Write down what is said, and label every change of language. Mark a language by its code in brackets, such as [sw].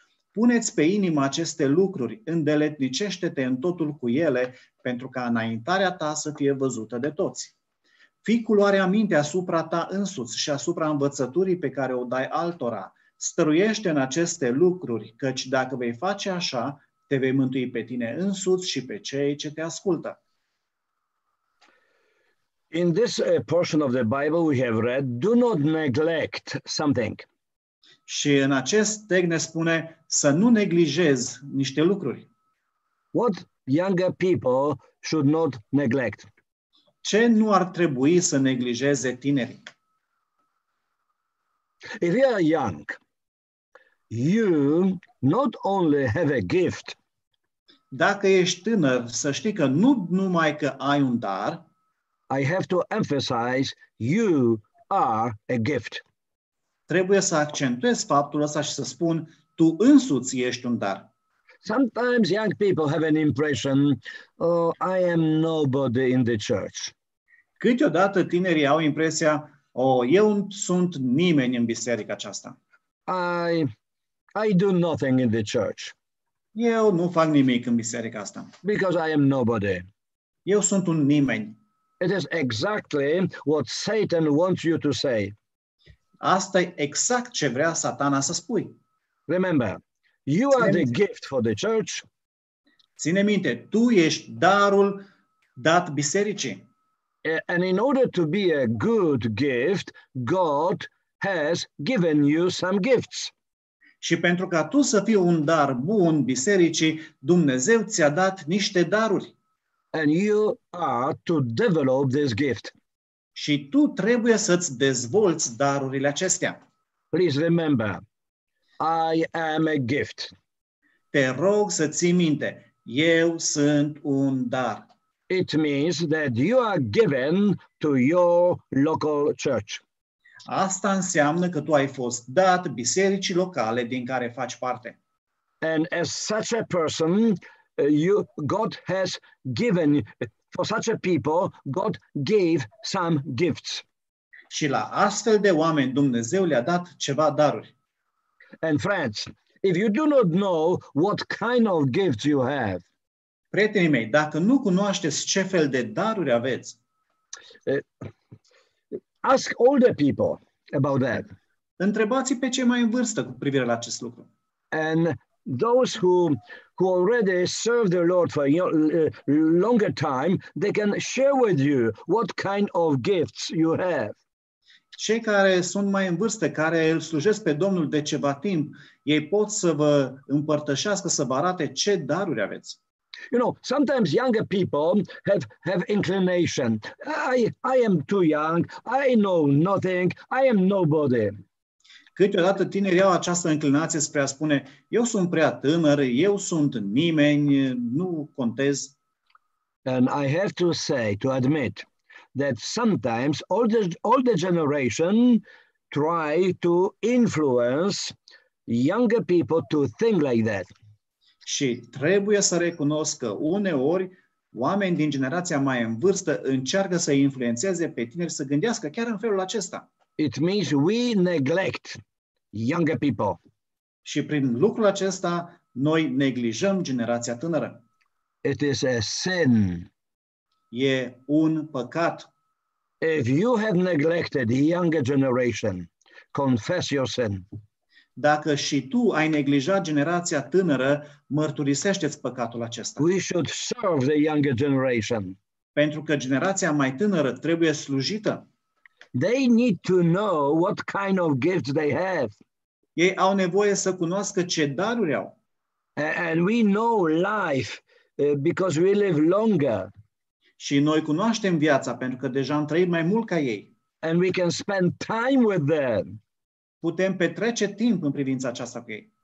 [ro] Puneți pe inimă aceste lucruri, îndeletnicește-te în totul cu ele, pentru ca înaintarea ta să fie văzută de toți. Fii culoarea mintei asupra ta însuți și asupra învățăturii pe care o dai altora. Stăruiește în aceste lucruri, căci dacă vei face așa, te vei mântui pe tine însuți și pe cei ce te ascultă. [en] In this portion of the Bible we have read, do not neglect something. [ro] Și în acest text ne spune să nu neglijezi niște lucruri. [en] What younger people should not neglect? [ro] Ce nu ar trebui să neglijeze tinerii? [en] If you are young, you not only have a gift. [ro] Dacă ești tânăr, să știi că nu numai că ai un dar. [en] I have to emphasize you are a gift. [ro] Trebuie să accentuez faptul ăsta și să spun tu însuți ești un dar. [en] Sometimes young people have an impression, oh, I am nobody in the church. [ro] Câteodată tinerii au impresia, eu sunt nimeni în biserica aceasta. [en] I do nothing in the church. [ro] Eu nu fac nimic în biserica asta. [en] Because I am nobody. [ro] Eu sunt un nimeni. [en] It is exactly what Satan wants you to say. [ro] Asta e exact ce vrea Satana să spui. [en] Remember, you are the gift for the church. [ro] Ține minte, tu ești darul dat bisericii. [en] And in order to be a good gift, God has given you some gifts. [ro] Și pentru ca tu să fii un dar bun bisericii, Dumnezeu ți-a dat niște daruri. [en] And you are to develop this gift. [ro] Și tu trebuie să-ți dezvolți darurile acestea. [en] Please remember, I am a gift. [ro] Te rog să ții minte, eu sunt un dar. [en] It means that you are given to your local church. [ro] Asta înseamnă că tu ai fost dat bisericii locale din care faci parte. [en] And as such a person, God has given for such a people, God gave some gifts. [ro] Și la astfel de oameni Dumnezeu le-a dat ceva daruri. [en] And friends, if you do not know what kind of gifts you have. [ro] Prietenii mei, dacă nu cunoașteți ce fel de daruri aveți. [en] Ask older people about that. [ro] Întrebați pe cei mai în vârstă cu privire la acest lucru. [en] And those who already serve the Lord for longer time, they can share with you what kind of gifts you have. [ro] Cei care sunt mai în vârstă, care îl slujesc pe Domnul de ceva timp, ei pot să vă împărtășească, să vă arate ce daruri aveți. [en] You know, sometimes younger people have inclination. I am too young, I know nothing, I am nobody. [ro] Câteodată tinerii au această înclinație spre a spune, eu sunt prea tânăr, eu sunt nimeni, nu contez. [en] And I have to say, to admit, that sometimes older generation try to influence younger people to think like that. [ro] Și trebuie să recunosc că uneori oameni din generația mai în vârstă încearcă să influențeze pe tineri să gândească chiar în felul acesta. [en] It means we neglect younger people. [ro] Și prin lucrul acesta noi neglijăm generația tânără. [en] It is a sin. [ro] E un păcat. [en] If you have neglected the younger generation, confess your sin. [ro] Dacă și tu ai neglijat generația tânără, mărturisește-ți păcatul acesta. [en] We should serve the younger generation. [ro] Pentru că generația mai tânără trebuie slujită. [en] They need to know what kind of gifts they have. [ro] Ei au nevoie să cunoască ce daruri au. [en] And we know life because we live longer. [ro] Și noi cunoaștem viața pentru că deja am trăit mai mult ca ei. [en] And we can spend time with them. [ro] Putem petrece timp în privința aceasta cu ei.